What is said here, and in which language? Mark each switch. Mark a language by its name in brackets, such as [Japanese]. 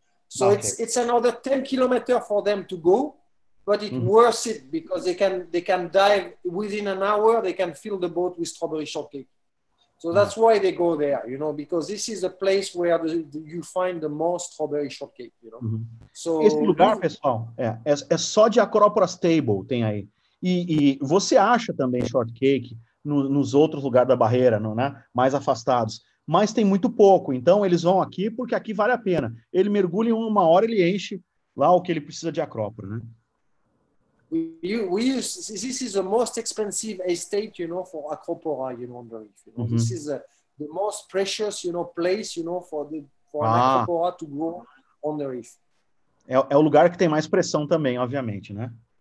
[English] So it's another 10 kilometers for them to go, but it's worth it because they can dive within an hour. They can fill the boat with strawberry shortcake. So that's why they go there, you know, because this is a place where you find the most strawberry shortcake, you know. [Portuguese] So esse lugar, pessoal, é só de Acropora's Table, tem aí. E você acha também shortcake nos outros lugares da barreira, não, né? Mais afastados. Mas tem muito pouco, então eles vão aqui porque aqui vale a pena. Ele mergulha em uma hora, ele enche lá o que ele precisa de Acropora, né? [English] This is the most expensive estate, you know, for Acropora, you know, on the reef. This is the most precious, you know, place, you know, for Acropora to grow on the reef. [Portuguese] É o lugar que tem mais pressão também, obviamente, né?